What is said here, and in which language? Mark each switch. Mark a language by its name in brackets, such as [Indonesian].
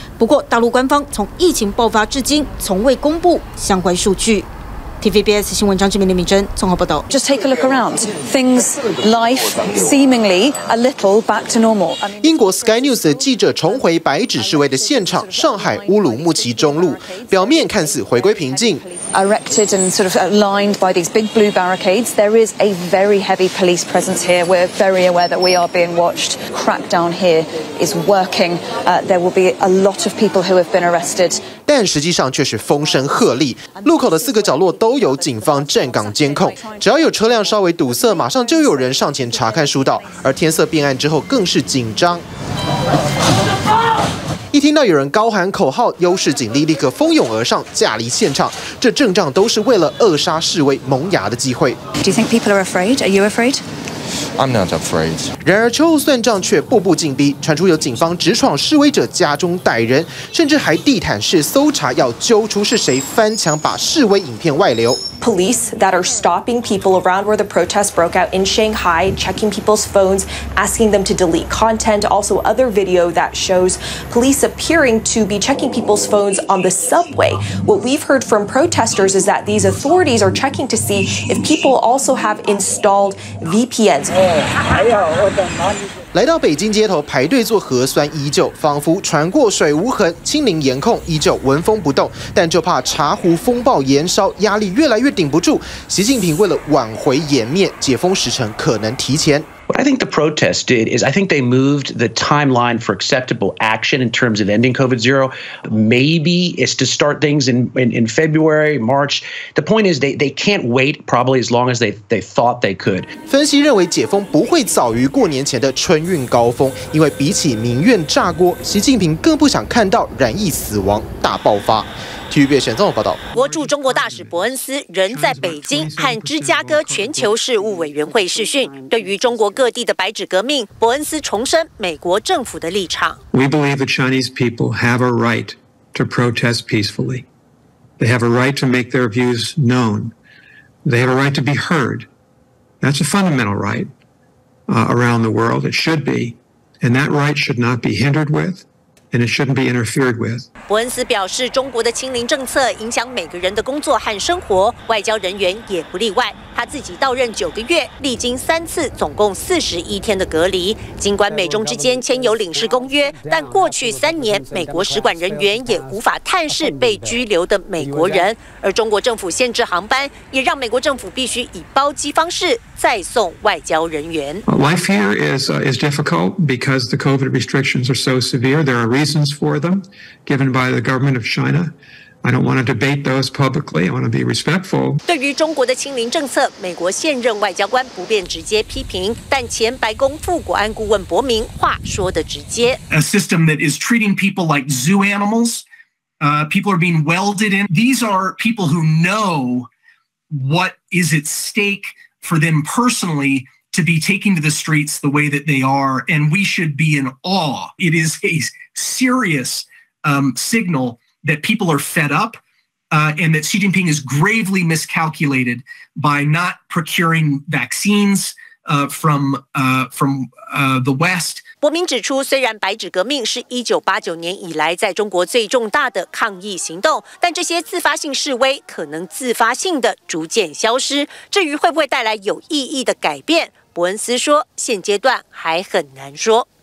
[Chinese] 不过，大陆官方从疫情爆发至今从未公布相关数据。 TVBS 新闻张志明、林敏珍综合报道。 [English] Just take a look around. Things, life, seemingly a little back to normal. [Chinese] 英国 Sky News 的记者重回白纸示威的现场，上海乌鲁木齐中路，表面看似回归平静。 [English] Erected and sort of lined by these big blue barricades, there is a very heavy police presence here. We're very aware that we are being watched. Crackdown here is working. There will be a lot of people who have been arrested. [Chinese] 但实际上却是风声鹤唳，路口的4个角落。都有警方站岗监控，只要有车辆稍微堵塞，马上就有人上前查看疏导，而天色变暗之后更是紧张。一听到有人高喊口号，优势警力立刻蜂拥而上，驾离现场。这阵仗都是为了扼杀示威萌芽的机会。 [English] Do you think people are afraid? Are you afraid? I'm not afraid. [Chinese] 然而秋后算账却步步紧逼，传出有警方直闯示威者家中逮人，甚至还地毯式搜查，要揪出是谁翻墙把示威影片外流。 [English] Police that are stopping people around where the protests broke out in Shanghai, checking people's phones, asking them to delete content. Also, other video that shows police appearing to be checking people's phones on the subway. What we've heard from protesters is that these authorities are checking to see if people also have installed VPNs. [Chinese] 来到北京街头排队做核酸依旧，仿佛船过水无痕，清零严控依旧纹风不动。但就怕茶壶风暴延烧，压力越来越顶不住。习近平为了挽回颜面，解封时程可能提前。 [English] What I think the protests did is I think they moved the timeline for acceptable action in terms of ending COVID zero. Maybe it's to start things in February, March. The point is they can't wait probably as long as they thought they could. [Chinese] 分析认为解封不会早于过年前的春运高峰，因为比起民怨炸锅，习近平更不想看到染疫死亡大爆发。据《沈总报道》，国驻中国大使伯恩斯仍在北京和芝加哥全球事务委员会视讯。对于中国各地的白纸革命，伯恩斯重申美国政府的立场。 [English] We believe the Chinese people have a right to protest peacefully. They have a right to make their views known. They have a right to be heard. That's a fundamental right around the world. It should be, and that right should not be hindered with. And it shouldn't be interfered with. [Chinese] 伯恩斯表示，中国的清零政策影响每个人的工作和生活，外交人员也不例外。他自己到任9个月，历经3次，总共41天的隔离。尽管美中之间签有领事公约，但过去3年，美国使馆人员也无法探视被拘留的美国人。而中国政府限制航班，也让美国政府必须以包机方式再送外交人员。 [English] Life here is difficult because the COVID restrictions are so severe. There are reasons for them, given by the government of China. I don't want to debate those publicly. I want to be respectful. [Chinese] 对于中国的清零政策，美国现任外交官不便直接批评，但前白宫副国安顾问伯明话说得直接。 [English] A system that is treating people like zoo animals. People are being welded in. These are people who know what is at stake for them personally. To be taken to the streets the way that they are, and we should be in awe. It is a serious, signal that people are fed up, and that Xi Jinping is gravely miscalculated by not procuring vaccines, from the West. [Chinese] 伯明指出，虽然白纸革命是1989年以来在中国最重大的抗议行动，但这些自发性示威可能自发性的逐渐消失。至于会不会带来有意义的改变，伯恩斯说，现阶段还很难说。